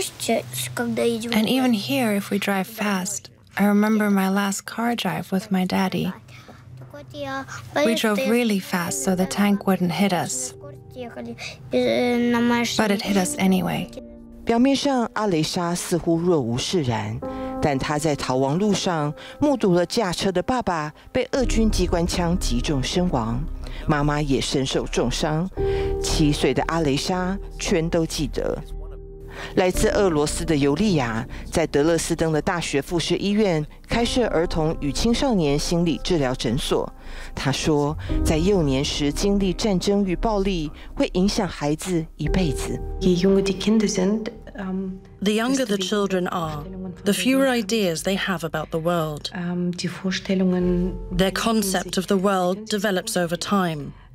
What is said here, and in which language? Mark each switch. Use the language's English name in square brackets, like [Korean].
[English] And even here, if we drive fast, I remember my last car drive with my daddy. We drove really fast so the tank wouldn't hit us. But it hit us anyway. [Chinese] 表面上阿蕾莎似乎若无释然，但她在逃亡路上目睹了驾车的爸爸被俄军机关枪击中身亡，妈妈也身受重伤，7岁的阿蕾莎全都记得。来自俄罗斯的尤利亚在德勒斯登的大学附设医院开设儿童与青少年心理治疗诊所。他说，在幼年时经历战争与暴力会影响孩子一辈子。 [English] The younger the children are, the fewer ideas they have about the world. Their concept of the world develops over time.